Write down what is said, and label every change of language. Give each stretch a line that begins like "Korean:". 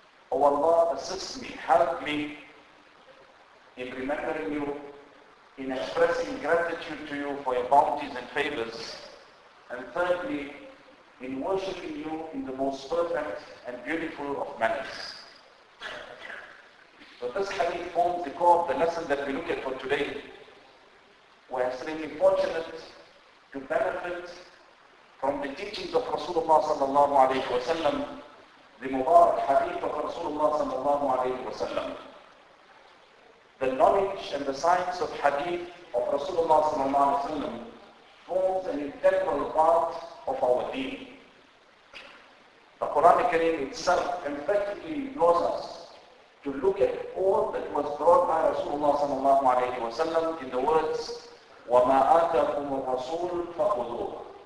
English: O Allah, assist me, help me in remembering you, in expressing gratitude to you for your bounties and favors, and thirdly, in worshipping you in the most perfect and beautiful of manners. So this hadith forms the core of the lesson that we look at for today. We are extremely fortunate to benefit from the teachings of Rasulullah sallallahu alayhi wa sallam,
Arabic: لمبارك حديث رسول الله صلى الله عليه وسلم.
English: The knowledge and the science of hadith of Rasulullah صلى الله عليه وسلم forms an integral part of our deen. The Quran Kareem itself emphatically draws us to look at all that was brought by Rasulullah صلى الله عليه وسلم in the words,
Arabic: وَمَا آتَكُمُ الرَّسُولُ فَخُذُوهُ.